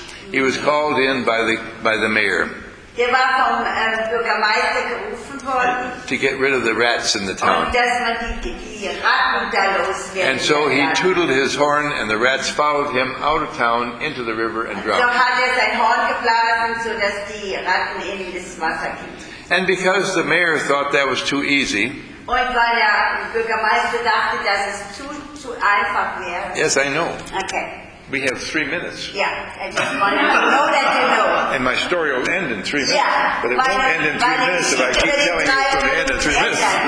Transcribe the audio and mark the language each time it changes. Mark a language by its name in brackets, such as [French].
[English] He was called in by the mayor. [German] Der war vom Bürgermeister gerufen worden. [English] To get rid of the rats in the town. [German] Dass man die Ratten da loswerden. [English] And so he tootled his horn and the rats followed him out of town into the river and drowned. [German] So hat er sein Horn geblasen, so dass die Ratten in das Wasser gingen. [English] And because the mayor thought that was too easy. [German] Und weil der Bürgermeister dachte, dass es zu einfach wäre. [English] Yes, I know. Okay. We have 3 minutes. Yeah, I just want to know that you know. And my story will end in 3 minutes. Yeah, but it won't end in 3 minutes if I keep telling you it's going to end in 3 minutes.